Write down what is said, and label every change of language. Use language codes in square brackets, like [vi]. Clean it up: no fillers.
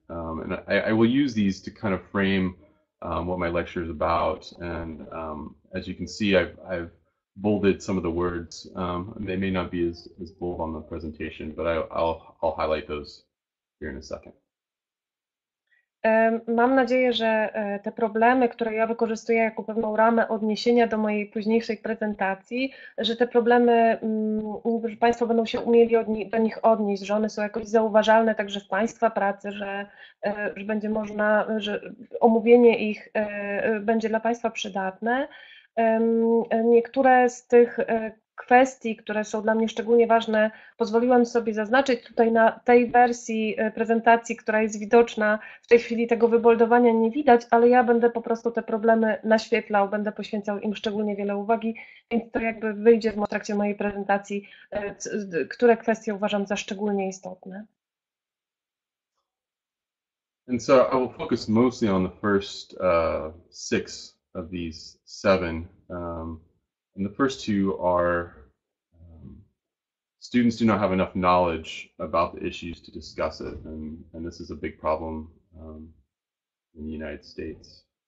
[en] And I will use these to kind of frame what my lecture is about. And as you can see, I've bolded some of the words. They may not be as bold on the presentation, but I'll highlight those here in a second. [pl] Mam nadzieję, że te problemy, które ja wykorzystuję jako pewną ramę odniesienia do mojej późniejszej prezentacji, że te problemy, że Państwo będą się umieli do nich odnieść, że one są jakoś zauważalne także w Państwa pracy, że będzie można, że omówienie ich będzie dla Państwa przydatne. Niektóre z tych kwestii, które są dla mnie szczególnie ważne, pozwoliłam sobie zaznaczyć tutaj na tej wersji prezentacji, która jest widoczna. W tej chwili tego wyboldowania nie widać, ale ja będę po prostu te problemy naświetlał, będę poświęcał im szczególnie wiele uwagi, więc to jakby wyjdzie w trakcie mojej prezentacji, które kwestie uważam za szczególnie istotne. [en] And so I will focus mostly on the first six of these seven. And the first two are students do not have enough knowledge about the issues to discuss it, and this is a big problem in the United States.